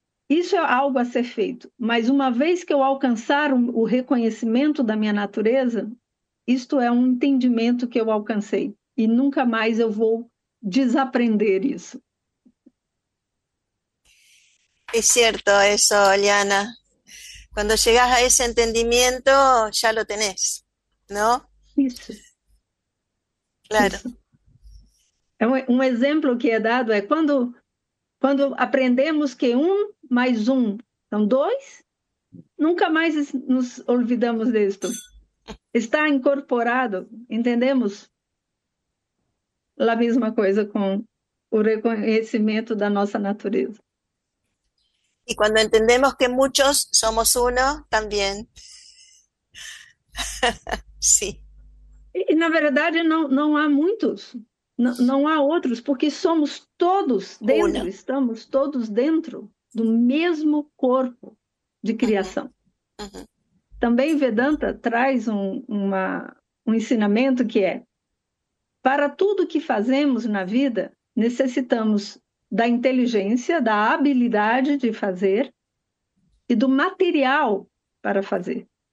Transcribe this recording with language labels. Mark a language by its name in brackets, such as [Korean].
[Portuguese] Isso é algo a ser feito, mas uma vez que eu alcançar o reconhecimento da minha natureza, isto é um entendimento que eu alcancei e nunca mais eu vou desaprender isso. [Spanish] Es cierto eso, Liana. Cuando llegas a ese entendimiento, ya lo tenés, ¿no? Claro. [Portuguese] Isso. É um exemplo que é dado é quando aprendemos que mais um são dois, nunca mais [Spanish] nos olvidamos [Portuguese] disto. Está incorporado, entendemos? A mesma coisa com o reconhecimento da nossa natureza. [Spanish] Y cuando entendemos que muchos somos uno, también. [Portuguese] Sim. E na verdade não há muitos, não há outros, porque somos todos dentro, [Spanish] Una. [Portuguese] estamos todos dentro do mesmo corpo de criação. Também Vedanta traz um ensinamento que é: para tudo que fazemos na vida, necessitamos da inteligência, da habilidade de fazer e do material para fazer.